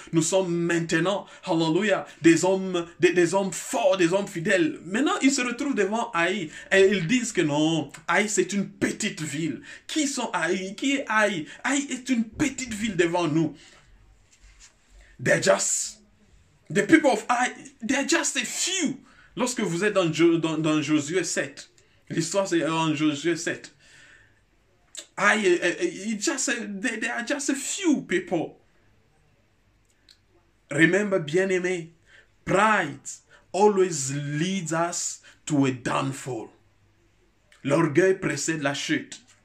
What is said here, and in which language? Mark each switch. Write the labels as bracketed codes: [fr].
[fr] Nous sommes maintenant, hallelujah, des hommes forts, des hommes fidèles. Maintenant, ils se retrouvent devant Haï et ils disent que non, Haï, c'est une petite ville. Qui sont Haï? Qui est Haï? Haï est une petite ville devant nous. [en] The people of Haï, they're just a few. [fr] Lorsque vous êtes dans Josué 7, l'histoire c'est en Josué 7. [en] They are just a few people. Remember, [fr] bien-aimé, [en] pride, always leads us to a downfall. [fr] L'orgueil précède la chute.